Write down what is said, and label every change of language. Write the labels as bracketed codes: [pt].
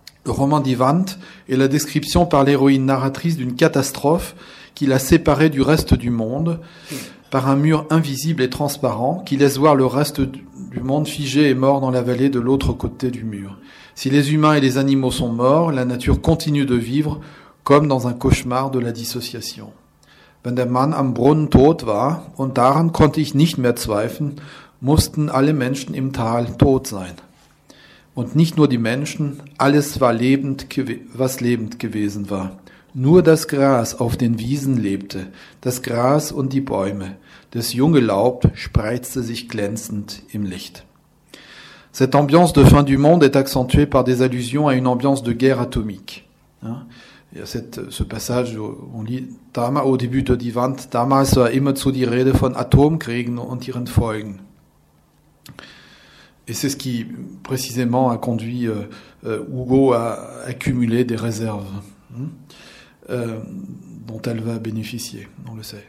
[fr] roman d'Ivant est la description par l'héroïne narratrice d'une catastrophe qui l'a séparée du reste du monde par un mur invisible et transparent qui laisse voir le reste du monde figé et mort dans la vallée de l'autre côté du mur. Si les humains et les animaux sont morts, la nature continue de vivre comme dans un cauchemar de la dissociation. [de] Wenn der Mann am Brunnen tot war, und daran konnte ich nicht mehr zweifeln, mussten alle Menschen im Tal tot sein. Und nicht nur die Menschen, alles war lebend, was lebend gewesen war. Nur das Gras auf den Wiesen lebte, das Gras und die Bäume. Das junge Laub spreizte sich glänzend im Licht. [fr] Cette ambiance de fin du monde est accentuée par des allusions à une ambiance de guerre atomique. Il y a ce passage où on lit au début de Divant, [de] damals war immerzu die Rede von Atomkriegen und ihren Folgen. [fr] Et c'est ce qui précisément a conduit Hugo à accumuler des réserves dont elle va bénéficier, on le sait.